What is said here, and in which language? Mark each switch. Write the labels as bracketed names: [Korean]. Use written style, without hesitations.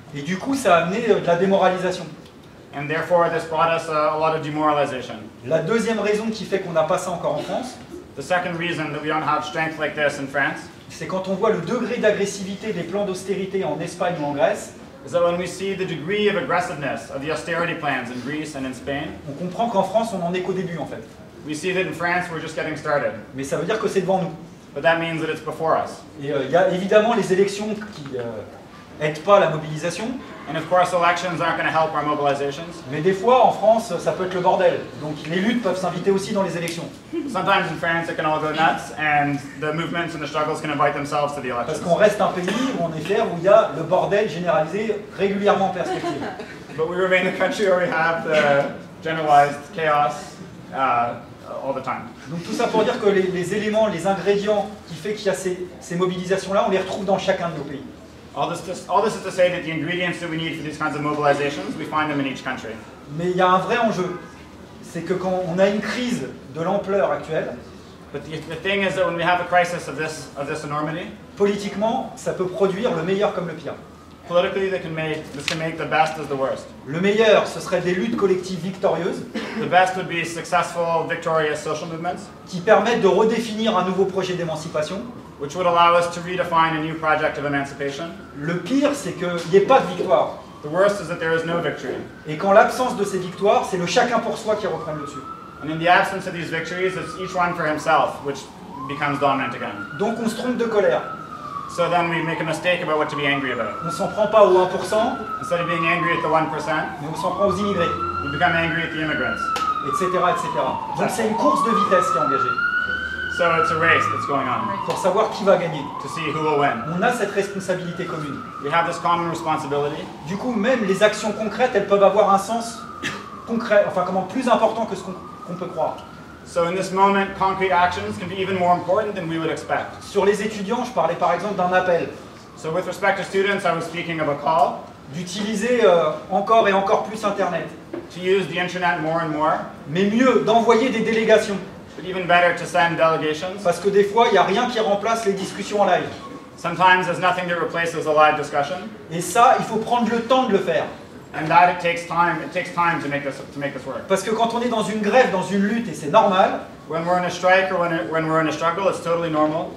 [French] Et du coup, ça a amené de la démoralisation. [English] And therefore, this brought us a lot of demoralization. [French] La deuxième raison qui fait qu'on n'a pas ça encore en France, [English] the second reason that we don't have strength like this in France, [French] c'est quand on voit le degré d'agressivité des plans d'austérité en Espagne ou en Grèce. [English] Is that when we see the degree of aggressiveness of the austerity plans in Greece and in Spain? [French] On comprend qu'en France, on en est qu'au début, en fait. [English] We see that in France, we're just getting started. [French] Mais ça veut dire que c'est devant nous. [English] But that means that it's before us. [French] Et il y a évidemment les élections qui aident pas la mobilisation. [English] And of course, elections aren't going to help our mobilizations. [French] Mais des fois, en France, ça peut être le bordel. Donc les luttes peuvent s'inviter aussi dans les élections. [English] Sometimes in France, it can all go nuts, and the movements and the struggles can invite themselves to the elections. [French] Parce qu'on reste un pays où on est clair, où il y a le bordel généralisé régulièrement en perspective. [English] But we remain a country where we have the generalized chaos all the time. [French] Donc tout ça pour dire que les éléments, les ingrédients qui fait qu'il y a ces mobilisations-là, on les retrouve dans chacun de nos pays. [English] All this is to say that the ingredients that we need for these kinds of mobilizations, we find them in each country. [French] Mais il y a un vrai enjeu, c'est que quand on a une crise de l'ampleur actuelle, [English] but the thing is that when we have a crisis of this enormity, [French] politiquement, ça peut produire le meilleur comme le pire. [English] Politically, this can make the best as the worst. [French] Le meilleur, ce serait des luttes collectives victorieuses. [English] The best would be successful, victorious social movements. [French] Qui permettent de redéfinir un nouveau projet d'émancipation. [English] Which would allow us to redefine a new project of emancipation. [French] Le pire, c'est qu'il n'y ait pas de victoire. [English] The worst is that there is no victory. [French] Et quand l'absence de ces victoires, c'est le chacun pour soi qui reprend le dessus. [English] And in the absence of these victories, it's each one for himself, which becomes dominant again. [French] Donc on se trompe de colère. [English] So then we make a mistake about what to be angry about. [French] On s'en prend pas au 1%. [English] Instead of being angry at the 1%. [French] Mais on s'en prend aux immigrés. [English] We become angry at the immigrants. Etc, etc. [French] Donc c'est une course de vitesse qui est engagée. [English] So it's a race that's going on. [French] Pour savoir qui va gagner. [English] To see who will win. [French] On a cette responsabilité commune. [English] We have this common responsibility. [French] Du coup, même les actions concrètes, elles peuvent avoir un sens concret, enfin comment, plus important que ce qu'on peut croire. [English] So in this moment, concrete actions can be even more important than we would expect. [French] Sur les étudiants, je parlais par exemple d'un appel. [English] So with respect to students, I was speaking of a call. [French] D'utiliser encore et encore plus Internet. [English] To use the Internet more and more. [French] Mais mieux, d'envoyer des délégations. [English] But even better to send delegations. [French] Parce que des fois, il n'y a rien qui remplace les discussions en live. [English] Sometimes there's nothing that replaces a live discussion. [French] Et ça, il faut prendre le temps de le faire. [English] And that it takes time to make this work. [French] Parce que quand on est dans une grève, dans une lutte, et c'est normal. [English] When we're in a strike or when we're in a struggle, it's totally normal.